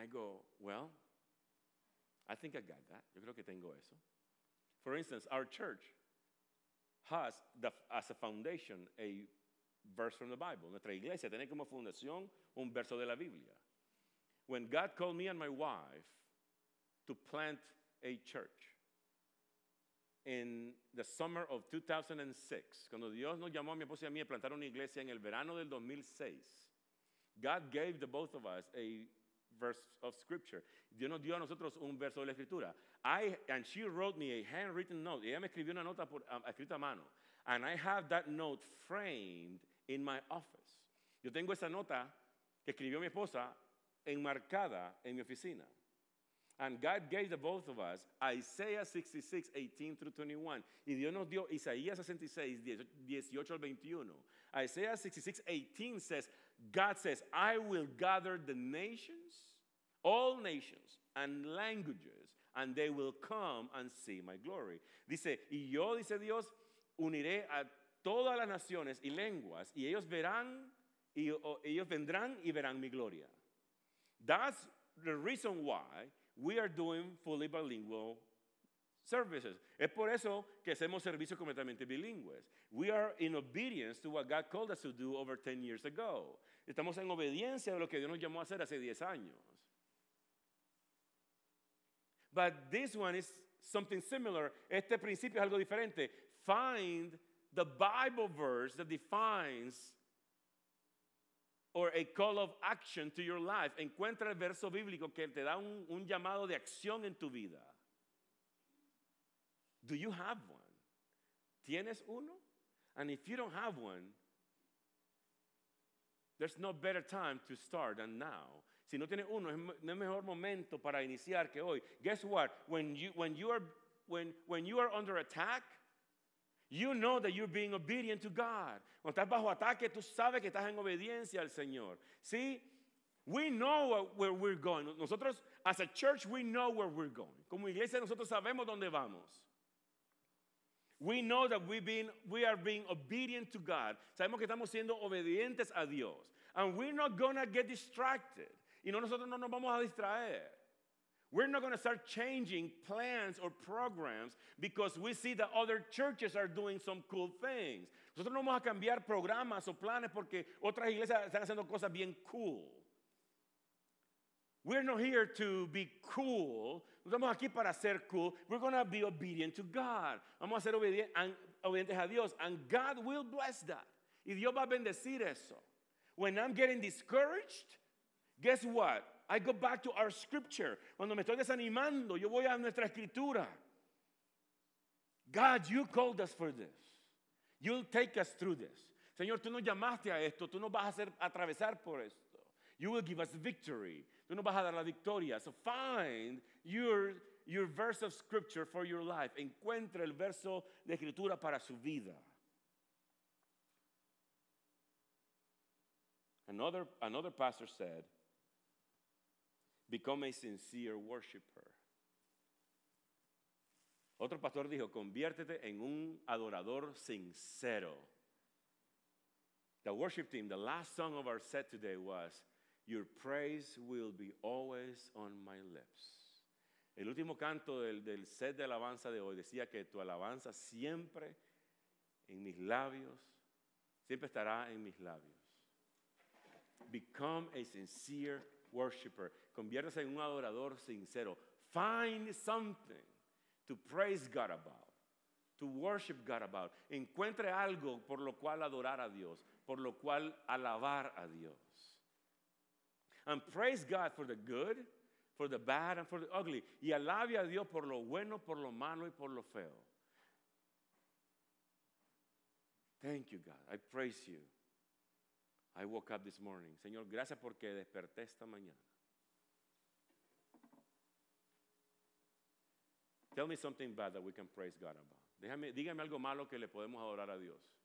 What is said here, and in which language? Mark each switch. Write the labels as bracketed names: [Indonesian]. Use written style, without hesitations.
[English] I go, well, I think I got that. [Spanish] Yo creo que tengo eso. [English] For instance, our church has, as a foundation, a verse from the Bible. [Spanish] Nuestra iglesia tiene como fundación un verso de la Biblia. [English] When God called me and my wife to plant a church in the summer of 2006, [Spanish] cuando Dios nos llamó a mi esposa y a mí a plantar una iglesia en el verano del 2006, [English] God gave the both of us a verse of scripture. [Spanish] Dios nos dio a nosotros un verso de la escritura. [English] And she wrote me a handwritten note. [Spanish] Ella me escribió una nota escrita a mano. [English] And I have that note framed in my office. [Spanish] Yo tengo esa nota que escribió mi esposa enmarcada en mi oficina. [English] And God gave the both of us Isaiah 66, 18 through 21. [Spanish] Y Dios nos dio Isaías 66, 18 al 21. [English] Isaiah 66, 18 says, God says, I will gather the nations, all nations and languages, and they will come and see my glory. [Spanish] Dice, y yo, dice Dios, uniré a todas las naciones y lenguas, y ellos verán, y ellos vendrán y verán mi gloria. [English] That's the reason why we are doing fully bilingual services. [Spanish] Es por eso que hacemos servicios completamente bilingües. [English] We are in obedience to what God called us to do over 10 years ago. [Spanish] Estamos en obediencia a lo que Dios nos llamó a hacer hace 10 años. [English] But this one is something similar. [Spanish] Este principio es algo diferente. [English] Find the Bible verse that defines or a call of action to your life. [Spanish] Encuentra el verso bíblico que te da un llamado de acción en tu vida. [English] Do you have one? [Spanish] ¿Tienes uno? [English] And if you don't have one, there's no better time to start than now. [Spanish] Si no tienes uno, no es mejor momento para iniciar que hoy. [English] Guess what? When you are under attack, you know that you're being obedient to God. [Spanish] Cuando estás bajo ataque, tú sabes que estás en obediencia al Señor. [English] See, we know where we're going. [Spanish] Nosotros, [English] as a church, we know where we're going. [Spanish] Como iglesia, nosotros sabemos dónde vamos. [English] We know that we are being obedient to God. [Spanish] Sabemos que estamos siendo obedientes a Dios. [English] And we're not going to get distracted. [Spanish] Y nosotros no nos vamos a distraer. [English] We're not going to start changing plans or programs because we see that other churches are doing some cool things. [Spanish] Nosotros no vamos a cambiar programas o planes porque otras iglesias están haciendo cosas bien cool. [English] We're not here to be cool. [Spanish] No estamos aquí para ser cool. [English] We're going to be obedient to God. [Spanish] Vamos a ser obedientes a Dios. [English] And God will bless that. [Spanish] Y Dios va a bendecir eso. [English] When I'm getting discouraged, guess what? I go back to our scripture. [Spanish] Cuando me estoy desanimando, yo voy a nuestra escritura. [English] God, you called us for this. You'll take us through this. [Spanish] Señor, tú nos llamaste a esto. Tú nos vas a hacer atravesar por esto. [English] You will give us victory. [Spanish] Tú nos vas a dar la victoria. [English] So find your verse of scripture for your life. [Spanish] Encuentra el verso de escritura para su vida. [English] Another pastor said, become a sincere worshiper. [Spanish] Otro pastor dijo, conviértete en un adorador sincero. [English] The worship team, the last song of our set today was, your praise will be always on my lips. [Spanish] El último canto del set de alabanza de hoy decía que tu alabanza siempre en mis labios, siempre estará en mis labios. [English] Become a sincere worshiper. [Spanish] Conviértase en un adorador sincero. [English] Find something to praise God about, to worship God about. [Spanish] Encuentre algo por lo cual adorar a Dios, por lo cual alabar a Dios. [English] And praise God for the good, for the bad, and for the ugly. [Spanish] Y alabe a Dios por lo bueno, por lo malo, y por lo feo. [English] Thank you, God. I praise you. I woke up this morning. [Spanish] Señor, gracias porque desperté esta mañana. [English] Tell me something bad that we can praise God about. [Spanish] Dígame algo malo que le podemos adorar a Dios.